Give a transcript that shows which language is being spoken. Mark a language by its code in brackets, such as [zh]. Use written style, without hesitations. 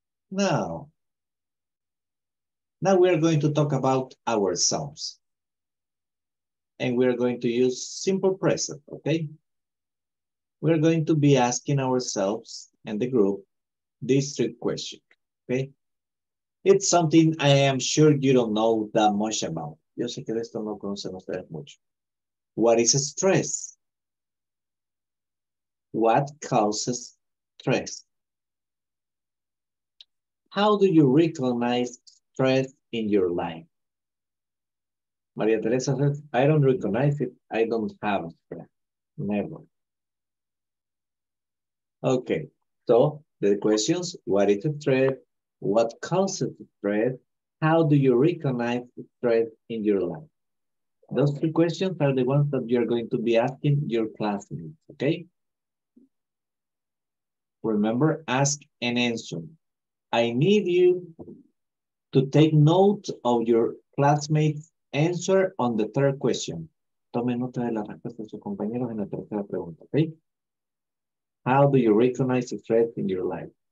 [en] Now we are going to talk about ourselves. And we are going to use simple present, okay? We're going to be asking ourselves and the group these three questions, okay? It's something I am sure you don't know that much about. [es] Yo sé que de esto no conocen ustedes mucho. [en] What is stress? What causes stress? How do you recognize stress in your life? Maria Teresa says, I don't recognize it. I don't have stress. Never. Okay, so the questions, what is stress? What causes stress? How do you recognize stress in your life? Those three questions are the ones that you're going to be asking your classmates, okay? Remember, ask and answer. I need you to take note of your classmates' answer on the third question. [es] Tome nota de la respuesta de sus compañeros en la tercera pregunta, okay? [en] How do you recognize a threat in your life?